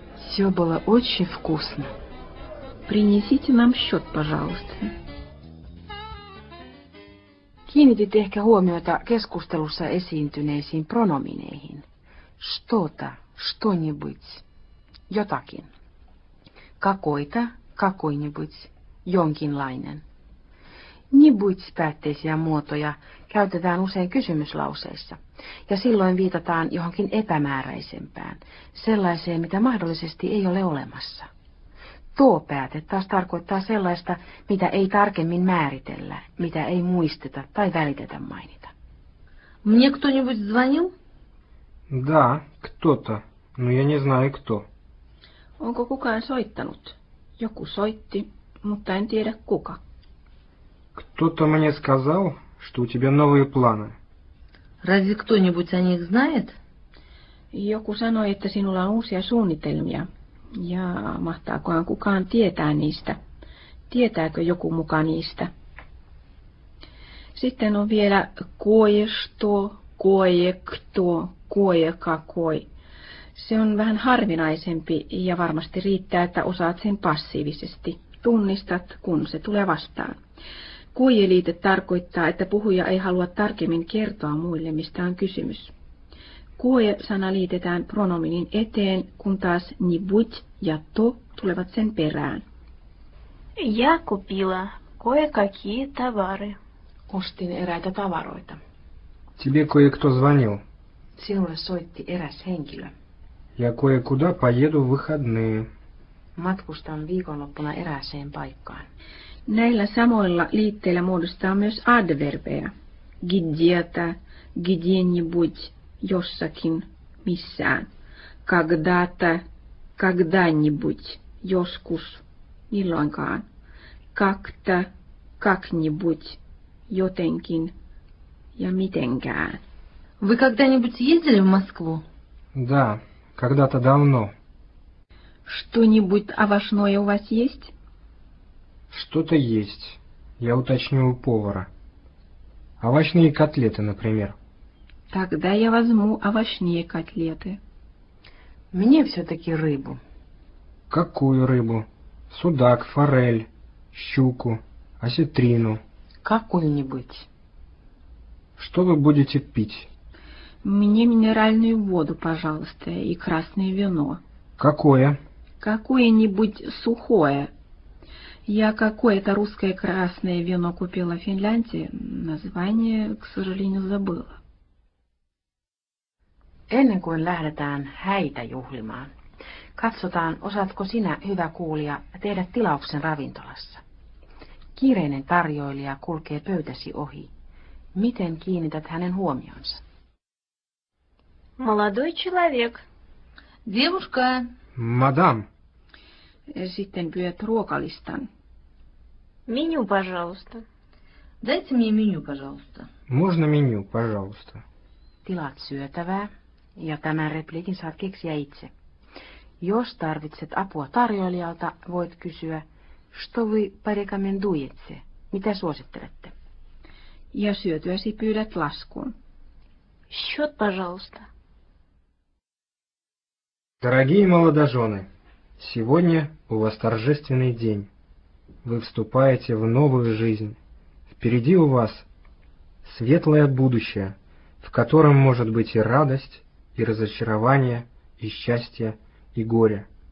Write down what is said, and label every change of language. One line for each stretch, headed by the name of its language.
Russian: Все было очень вкусно. Принесите нам счет, пожалуйста.
Finnish: Kiinnititte ehkä huomiota keskustelussa esiintyneisiin pronomineihin.
Russian: Что-то, что-нибудь,
Finnish: jotakin.
Russian: Какой-то, какой-нибудь,
Finnish: jonkinlainen. Нибудь-päätteisiä muotoja käytetään usein kysymyslauseissa, ja silloin viitataan johonkin epämääräisempään, sellaiseen, mitä mahdollisesti ei ole olemassa. Tuo pääte taas tarkoittaa sellaista, mitä ei tarkemmin määritellä, mitä ei muisteta tai välitetä mainita.
Russian: Мне кто-нибудь звонил? Да, кто-то, но я не знаю кто.
Finnish: Onko kukaan soittanut? Joku soitti, mutta en tiedä kuka.
Russian: Кто-то мне сказал, что у тебя новые планы. Разве кто-нибудь о них знает?
Finnish: Joku sanoi, että sinulla on uusia suunnitelmia. Ja mahtaakohan kukaan tietää niistä? Tietääkö joku muka niistä? Sitten on vielä koesto, koekto, koekakoi. Se on vähän harvinaisempi ja varmasti riittää, että osaat sen passiivisesti. Tunnistat, kun se tulee vastaan. Koeliite tarkoittaa, että puhuja ei halua tarkemmin kertoa muille, mistä on kysymys. Koe-sana liitetään pronominin eteen, kun taas nibut ja to tulevat sen perään.
Russian: Я купила кое-какие товары.
Finnish: Ostin eräitä tavaroita.
Russian: Тебе кое-кто звонил?
Finnish: Sinulle soitti eräs henkilö.
Russian: Я кое-куда поеду в выходные.
Finnish: Matkustan viikonloppuna erääseen paikkaan. Näillä samoilla liitteillä muodostaa myös adverbeja.
Russian: Где-то, где-нибудь.
Finnish: Jossakin, missään.
Russian: Когда-то, когда-нибудь,
Finnish: joskus, milloinkaan.
Russian: Как-то, как-нибудь,
Finnish: jotenkin ja mitenkään.
Russian: Вы когда-нибудь ездили в Москву? Да, когда-то давно. Что-нибудь овощное у вас есть? Что-то есть. Я уточню у повара. Овощные котлеты, например. Тогда я возьму овощные котлеты. Мне все-таки рыбу. Какую рыбу? Судак, форель, щуку, осетрину. Какую-нибудь. Что вы будете пить? Мне минеральную воду, пожалуйста, и красное вино. Какое? Какое-нибудь сухое. Я какое-то русское красное вино купила в Финляндии. Название, к сожалению, забыла.
Finnish: Ennen kuin lähdetään häitä juhlimaan, katsotaan, osaatko sinä, hyvä kuulija, tehdä tilauksen ravintolassa. Kiireinen tarjoilija kulkee pöytäsi ohi. Miten kiinnität hänen huomionsa?
Russian: Молодой человек. Девушка. Мадам.
Finnish: Sitten pyydät ruokalistan.
Russian: Меню, пожалуйста. Дайте мне меню, пожалуйста. Можно меню, пожалуйста.
Finnish: tilat syötävää, ja tämän repliikin saat keksiä itse. Jos tarvitset apua tarjoilijalta, voit kysyä,
Russian: что вы порекомендуете?
Finnish: Mitä suosittelette? Ja syötyäsi pyydät laskun.
Russian: Счет, пожалуйста. Дорогие молодожены, сегодня у вас торжественный день. Вы вступаете в новую жизнь. Впереди у вас светлое будущее, в котором может быть и радость, и разочарование, и счастье, и горе.